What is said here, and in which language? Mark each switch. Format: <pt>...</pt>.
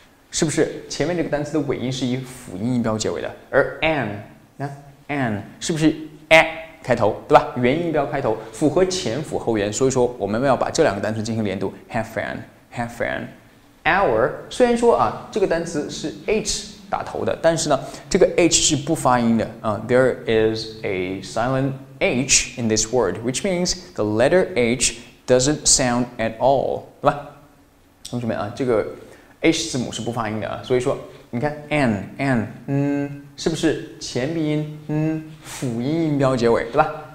<zh>是不是前面这个单词的尾音是以辅音音标结尾的，而 an 是不是 a 开头，对吧？元音音标开头，符合前辅后元，所以说我们要把这两个单词进行连读</zh> <en>half an half an hour。</en> <zh>虽然说啊，这个单词是 h 打头的，但是呢这个 h 是不发音的啊。</zh> <en>There is a silent h in this word, which means the letter h doesn't sound at all,</en> <zh>对吧？同学们啊，这个H 字母是不发音的，所以说你看 an 是不是前鼻音辅音音标结尾，对吧？</zh>